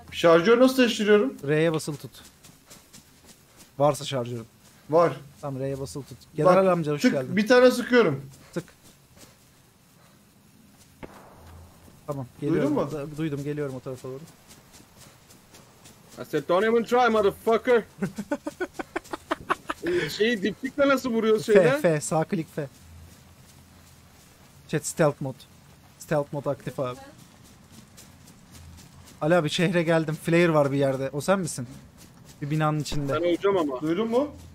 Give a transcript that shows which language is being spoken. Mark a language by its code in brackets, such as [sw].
[tr] Şarjör nasıl değiştiriyorum? R'ye basılı tut. Varsa şarjörüm. Var. Tamam R'ye basılı tut. General amca hoş tık, geldin. Bir tane sıkıyorum. Tık. Tamam geliyorum. Duydun mu? Duydum geliyorum o tarafa doğru. [en] I said don't even try motherfucker. [tr] Şey diplikle nasıl vuruyor şeyden? F sağ klik F. Chat stealth mod. Stealth mod aktif abi. Ali abi şehre geldim. Flare var bir yerde. O sen misin? Bir binanın içinde. Ben olacağım ama. Duydun mu?